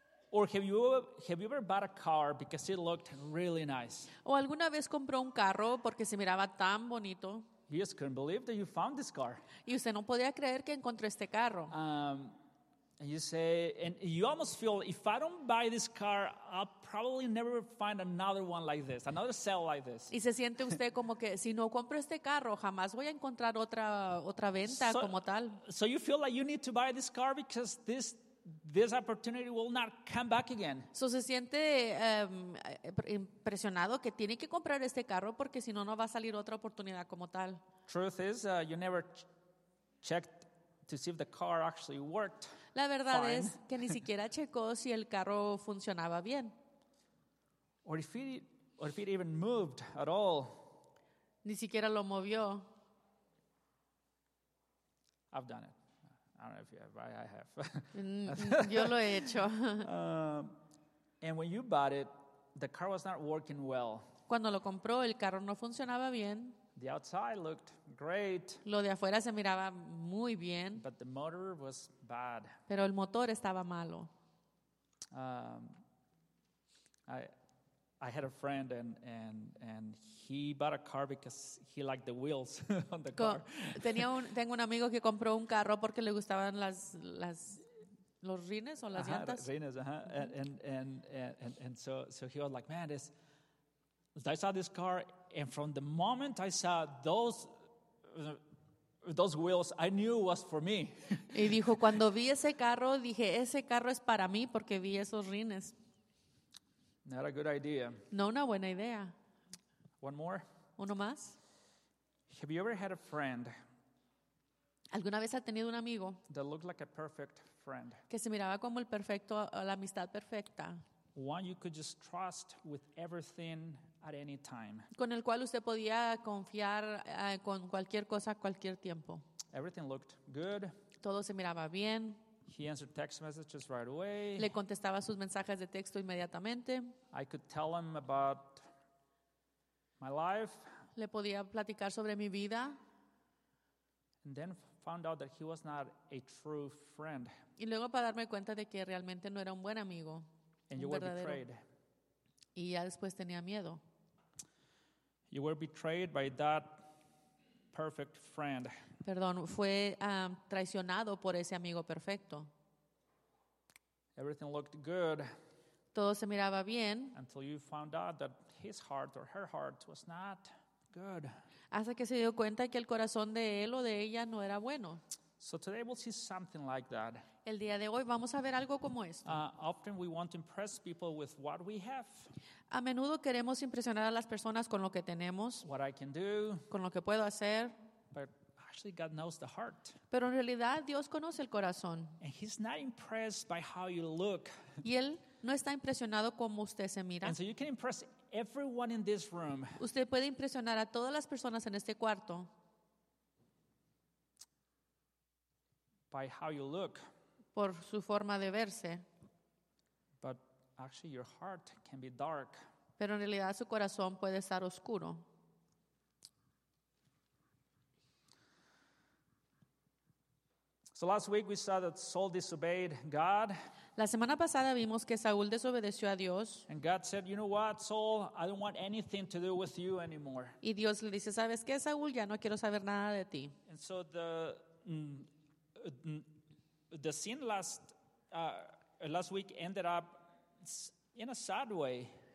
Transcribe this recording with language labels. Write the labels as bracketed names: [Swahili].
[English] Or have you ever bought a car because it looked really nice? [Spanish] ¿O alguna vez compró un carro porque se miraba tan bonito? [English] You just couldn't believe that you found this car. [Spanish] Y usted no podía creer que encontró este carro. [English] And you almost feel if I don't buy this car, I'll probably never find another one like this, another sale like this. [Spanish] Y se siente usted como que si no compro este carro, jamás voy a encontrar otra venta como tal. [English] So you feel like you need to buy this car because this opportunity will not come back again. [Spanish] So se siente impresionado que tiene que comprar este carro porque si no, no va a salir otra oportunidad como tal. [English] Truth is, you never checked to see if the car actually worked. [Spanish] La verdad [English] fine. [Spanish] Es que ni siquiera checó si el carro funcionaba bien. [English] Or if it even moved at all. [Spanish] Ni siquiera lo movió. [English] I've done it. I don't know if you have, but I have. [Spanish] Yo lo he hecho. [English] And when you bought it, the car was not working well. [Spanish] Cuando lo compró, el carro no funcionaba bien. [English] The outside looked great. [Spanish] Lo de afuera se miraba muy bien. [English] But the motor was bad. [Spanish] Pero el motor estaba malo. [English] Um, I, I had a friend and he bought a car because he liked the wheels on the car. [Spanish] Tengo un amigo que compró un carro porque le gustaban las los rines o las llantas. [English] Rines, uh-huh. Mm-hmm. And so he was like, man, this. I saw this car, and from the moment I saw those wheels, I knew it was for me. [Spanish] Y dijo, cuando vi ese carro, dije, ese carro es para mí porque vi esos rines. [English] Not a good idea. [Spanish] No, una buena idea. [English] One more. [Spanish] Uno más. [English] Have you ever had a friend? [Spanish] ¿Alguna vez ha tenido un amigo? [English] That looked like a perfect friend. [Spanish] Que se miraba como el perfecto, la amistad perfecta. [English] One you could just trust with everything at any time. [Spanish] Con el cual usted podía confiar con cualquier cosa, cualquier tiempo. [English] Everything looked good. [Spanish] Todo se miraba bien. [English] He answered text messages right away. [Spanish] Le contestaba sus mensajes de texto inmediatamente. [English] I could tell him about my life. [Spanish] Le podía platicar sobre mi vida. [English] And then found out that he was not a true friend. [Spanish] Y luego para darme cuenta de que realmente no era un buen amigo. [English] And you were betrayed. [Spanish] Y ya después tenía miedo. [English] You were betrayed by that perfect friend. [Spanish] Perdón, fue traicionado por ese amigo perfecto. [English] Everything looked good. [Spanish] Todo se miraba bien. [English] Until you found out that his heart or her heart was not good. [Spanish] Hasta que se dio cuenta que el corazón de él o de ella no era bueno. [English] So today we'll see something like that. [Spanish] El día de hoy vamos a ver algo como esto. [English] Often we want to impress people with what we have. [Spanish] A menudo queremos impresionar a las personas con lo que tenemos. [English] What I can do. [Spanish] Con lo que puedo hacer. [English] But actually God knows the heart. [Spanish] Pero en realidad Dios conoce el corazón. [English] And he's not impressed by how you look. [Spanish] Y él no está impresionado como usted se mira. [English] And so you can impress everyone in this room. [Spanish] Usted puede impresionar a todas las personas en este cuarto. [English] By how you look. [Spanish] Por su forma de verse. [English] But actually your heart can be dark. [Spanish] Pero en realidad su corazón puede estar oscuro. [English] So last week we saw that Saul disobeyed God. [Spanish] La semana pasada vimos que Saúl desobedeció a Dios. [English] And God said, "You know what, Saul? I don't want anything to do with you anymore." [Spanish] Y Dios le dice, "¿Sabes qué, Saúl? Ya no quiero saber nada de ti." [English] And so the scene last week ended up in a sad way.